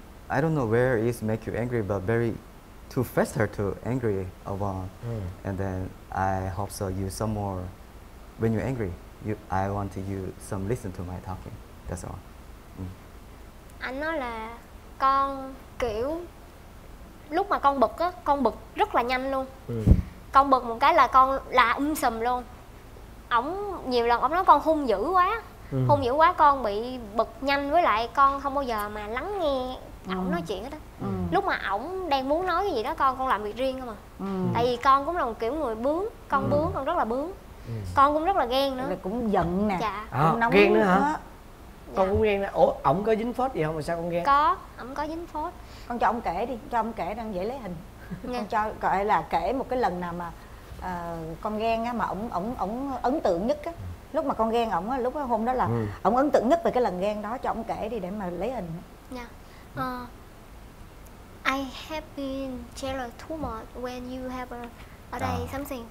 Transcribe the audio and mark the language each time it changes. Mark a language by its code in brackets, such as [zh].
[en] I don't know where it make you angry, but very too faster to angry about. And then I hope so you some more when you're angry. I want you some listen to my talking. That's all. [vi] Anh nói là con kiểu lúc mà con bực á, con bực rất là nhanh luôn. Con bực một cái là con la sùm luôn. Ổng nhiều lần ổng nói con hung dữ quá. Hung dữ quá, con bị bực nhanh, với lại con không bao giờ mà lắng nghe ổng nói chuyện hết á. Lúc mà ổng đang muốn nói cái gì đó con làm việc riêng cơ mà. Tại vì con cũng là một kiểu người bướng, con bướng, con rất là bướng. Con cũng rất là ghen nữa. Mày cũng giận nè. Dạ. Ghen nữa hả? Dạ. Con cũng ghen nè. Ủa, ổng có dính phốt gì không mà sao con ghen? Có, ổng có dính phốt. Con cho ổng kể đi, cho ổng kể đang dễ lấy hình. Con cho gọi là kể một cái lần nào mà con ghen á, mà ổng ấn tượng nhất á. Lúc mà con ghen ổng á, lúc đó, hôm đó là ổng ấn tượng nhất về cái lần ghen đó, cho ổng kể đi để mà lấy hình. Dạ. [en] I have been jealous too much when you have a day something.